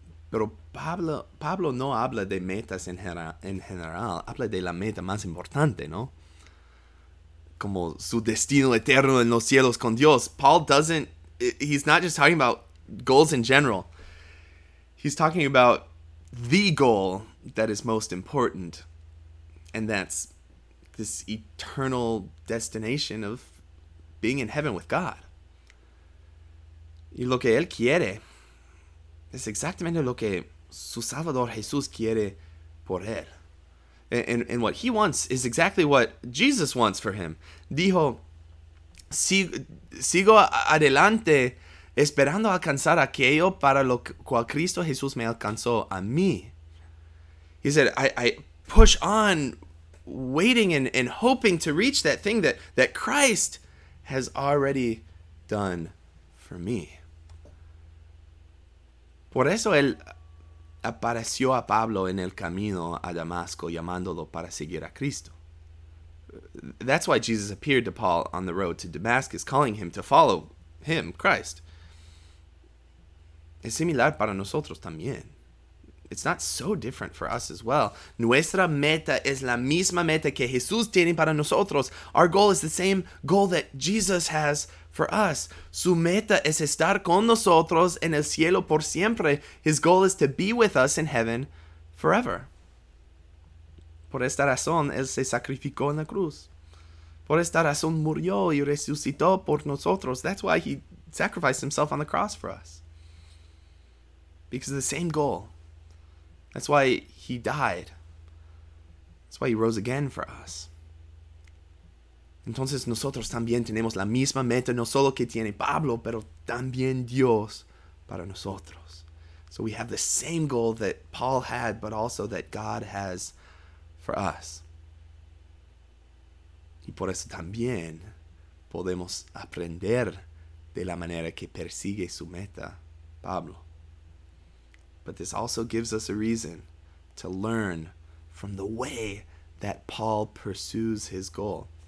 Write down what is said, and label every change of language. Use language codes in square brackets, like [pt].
[es] Pero Pablo no habla de metas en general. Habla de la meta más importante, ¿no? Como su destino eterno en los cielos con Dios. [en] He's not just talking about goals in general. He's talking about the goal that is most important. And that's this eternal destination of being in heaven with God. [es] Y lo que él quiere es exactamente lo que su Salvador Jesús quiere por él. [en] And what he wants is exactly what Jesus wants for him. [es] Dijo, sigo adelante esperando alcanzar aquello para lo cual Cristo Jesús me alcanzó a mí. [en] He said, I push on waiting and hoping to reach that thing that Christ has already done for me. [es] Por eso él apareció a Pablo en el camino a Damasco, llamándolo para seguir a Cristo. [en] That's why Jesus appeared to Paul on the road to Damascus, calling him to follow him, Christ. [es] Es similar para nosotros también. [en] It's not so different for us as well. [es] Nuestra meta es la misma meta que Jesús tiene para nosotros. [en] Our goal is the same goal that Jesus has for us. [es] Su meta es estar con nosotros en el cielo por siempre. [en] His goal is to be with us in heaven forever. [es] Por esta razón, él se sacrificó en la cruz. Por esta razón, murió y resucitó por nosotros. [en] That's why he sacrificed himself on the cross for us. Because of the same goal. That's why he died. That's why he rose again for us. [es] Entonces nosotros también tenemos la misma meta, no solo que tiene Pablo, pero también Dios para nosotros. [en] So we have the same goal that Paul had, but also that God has for us. [es] Y por eso también podemos aprender de la manera que persigue su meta, Pablo. [en] But this also gives us a reason to learn from the way that Paul pursues his goal.